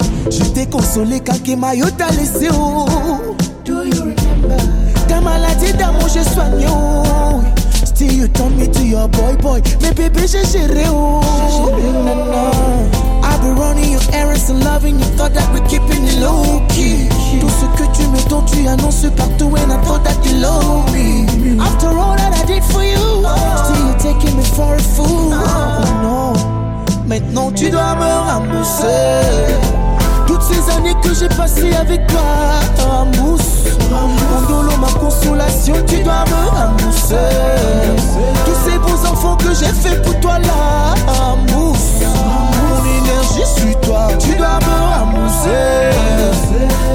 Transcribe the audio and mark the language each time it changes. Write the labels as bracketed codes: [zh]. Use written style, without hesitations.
[fr] Je t'ai consolé quand que Mayo t'a laissé, oui. [en] Do you remember? [fr] Ta maladie d'amour, j'ai soigné, oui. [en] Still you turn me to your boy, boy. [fr] Mais bébé, j'ai géré, [en] I be running your errands and loving you. Thought that we're keeping it low key. [fr] Tout ce que tu me donnes, tu annonces partout. [en] And I thought that you love me. After all that I did for you, still you taking me for a fool. [fr] Maintenant tu dois me rembourser. Toutes ces années que j'ai passées avec toi, rembourse. Mon dolo, ma consolation, tu dois me rembourser. Tous ces beaux enfants que j'ai fait pour toi là, rembourse. Mon énergie sur toi, tu dois me rembourser.